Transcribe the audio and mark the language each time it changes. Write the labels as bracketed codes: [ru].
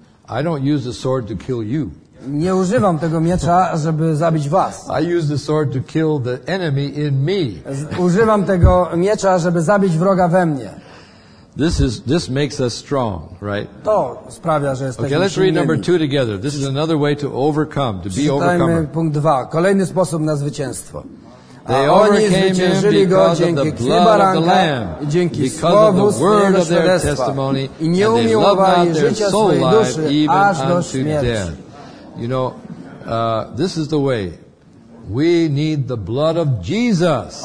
[en] I don't use the sword to kill you. [pl] Nie używam tego miecza, żeby zabić was. [en] I use the sword to kill the enemy in me. [pl] Używam tego miecza, żeby zabić wroga we mnie. [en] This makes us strong, right? [pl] To sprawia, że jesteśmy silni. [en] Okay, let's read number two together. This is another way to overcome, to be overcomer. [pl] Czytajmy punkt dwa. Kolejny sposób na zwycięstwo. [en] They overcame [pl] go dzięki krwi baranka, dzięki słowu swojego świadectwa i nie umiłowali życia swojej duszy aż do śmierci. [en] You know, this is the way. We need the blood of Jesus.